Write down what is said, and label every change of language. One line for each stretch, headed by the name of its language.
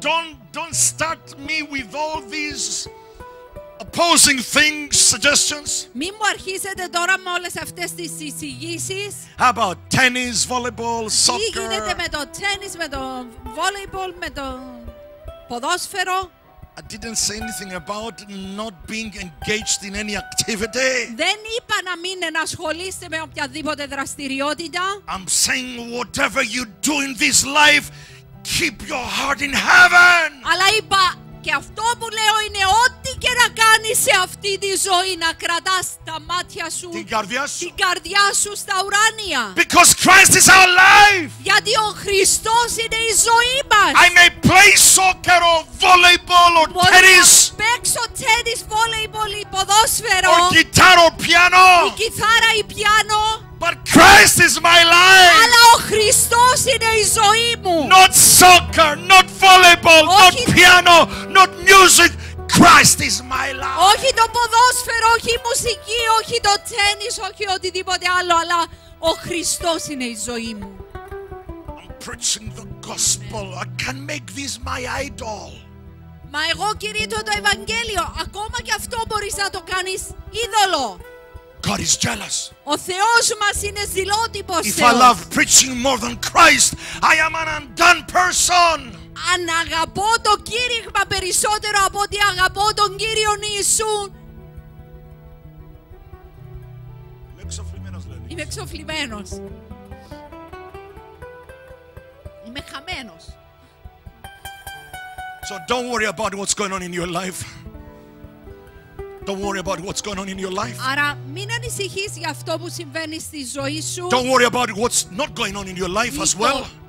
English: Now, don't start me with all these opposing things, suggestions.
Greek: Μην μου αρχίσετε τώρα με όλες αυτές τις εισηγήσεις.
English: How about tennis, volleyball, soccer?
Greek: Τι γίνεται με το tennis, με το volleyball, με το ποδόσφαιρο?
English: I didn't say anything about not being engaged in any activity.
Greek: Δεν είπα να μην ενασχολείστε με οποιαδήποτε δραστηριότητα.
English: I'm saying whatever you do in this life, keep your heart in heaven.
Greek: Αλλά είπα. Και αυτό που λέω είναι ό,τι και να κάνεις σε αυτή τη ζωή να κρατάς τα μάτια σου, την καρδιά σου στα ουράνια.
English: Because Christ is our life.
Greek: Γιατί ο Χριστός είναι η ζωή μας.
English: I may play soccer or volleyball or tennis.
Greek: παίξω τένις, βόλεϊμπολ, ποδόσφαιρο.
English: Or guitar or piano.
Greek: Η κιθάρα ή πιάνο.
English: But Christ is my life.
Greek: Αλλά ο Χριστός είναι η ζωή μου.
English: Not soccer, not volleyball, όχι, not piano, not music. Christ is my life.
Greek: Όχι το ποδόσφαιρο, όχι η μουσική, όχι το τένις, όχι οτιδήποτε άλλο, αλλά ο Χριστός είναι η ζωή μου.
English: I'm preaching the gospel. I can't make this my idol.
Greek: Μα εγώ κηρύττω το Ευαγγέλιο. Ακόμα και αυτό μπορείς να το κάνεις είδωλο.
English: God is jealous.
Greek: Ο Θεός μας είναι ζηλότυπος.
English: If I love preaching more than Christ, I am an undone person.
Greek: Αν αγαπώ το κήρυγμα περισσότερο από ότι αγαπώ τον Κύριο Ιησού. Είμαι εξοφλημένος, λένε. Είμαι εξοφλημένος. Είμαι χαμένος.
English: So don't worry about what's going on in your life. Don't worry about what's going on in your life.
Greek: Άρα μην ανησυχείς για αυτό που συμβαίνει στη ζωή σου.
English: Don't worry about what's not going on in your life as well.